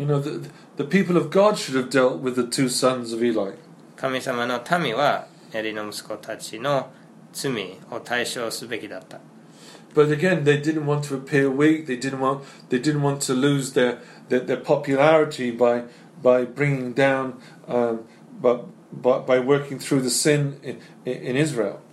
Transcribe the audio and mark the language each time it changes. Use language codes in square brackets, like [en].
[en] You know, the people of God should have dealt with the two sons of Eli. [ja] 神様の民はエリの息子たちの罪を対処すべきだった。 [en] But again, they didn't want to appear weak. They didn't want to lose their popularity by bringing down by working through the sin in Israel.